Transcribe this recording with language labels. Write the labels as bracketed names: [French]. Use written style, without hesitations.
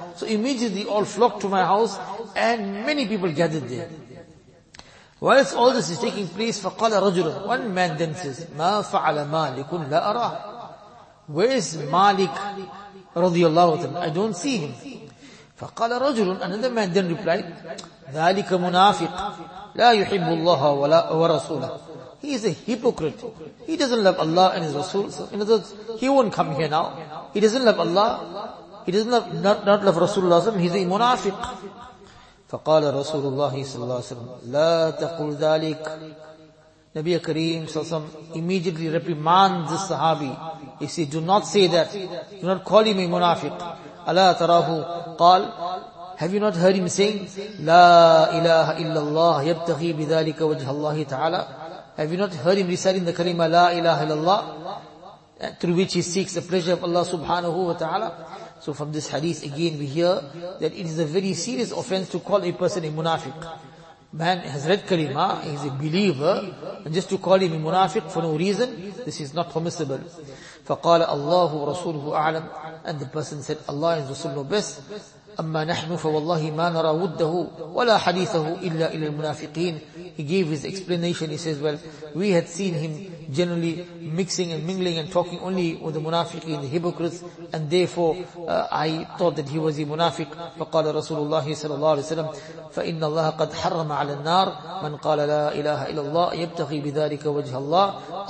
[English] So immediately all flocked to my house and many people gathered there. Whilst all this is taking place, [Arabic] فَقَالَ رَجُلًا, [English] one man then says, [Arabic] مَا فَعَلَ مَالِكٌ لَا أَرَاهُ, [English] where is Malik رضي الله عنه, I don't see him. [Arabic] فَقَالَ رَجُلٌ, [English] another man then replied, [Arabic] ذَلِكَ مُنَافِقٌ لَا يُحِبُّ اللَّهَ وَلَا وَرَسُولَهُ, [English] he is a hypocrite. He doesn't love Allah and His Rasul. So in other words, he won't come here now. He doesn't love Allah. He doesn't love, not love Rasulullah SAW. He's a munafiq. [Arabic] فَقَالَ رَسُولُ اللَّهِ صَلَّى اللَّهُ عَلَيْهِ وَسَلَّمَ لَا تَقُلْ ذَلِكَ. [English] Nabiya Kareem SAW immediately reprimands the Sahabi. He said, do not say that. Do not call him a munafiq. [Arabic] أَلَا تَرَاهُ قَالْ, [English] have you not heard him saying, [Arabic] لَا إِلَهَ إِلَّا اللَّهِ يَبْتَغِي بِذَلِكَ وَجْهَ اللَّهِ تَعَالَى. [English] Have you not heard him reciting the kalima La ilaha illallah, through which he seeks the pleasure of Allah subhanahu wa ta'ala? So from this hadith again we hear that it is a very serious offense to call a person a munafiq. Man has read kalima, he is a believer, and just to call him a munafiq for no reason, this is not permissible. [Arabic] فَقَالَ اللَّهُ رَسُولُهُ أَعْلَمُ, [English] and the person said, Allah is Rasul know best. [Arabic] أَمَّا نَحْنُ فَوَاللَّهِ مَا نَرَى وُدَّهُ وَلَا حَدِيثَهُ إِلَّا إِلَى الْمُنَافِقِينَ. [English] He gave his explanation. He says, well, we had seen him generally mixing and mingling and talking only with the munafiqeen, the hypocrites, and therefore I thought that he was a munafiq. [Arabic] فَقَالَ رَسُولُ اللَّهِ صَلَى اللَّهُ عَلَيْهِ وَسَلَمْ فَإِنَّ اللَّهَ قَدْ حَرَّمَ عَلَى النَّارِ مَنْ قَالَ لَا إِلَهَ إِلَى اللَّهِ يَبْتَغِي بِذَلِكَ وَجْهَ اللَّهِ.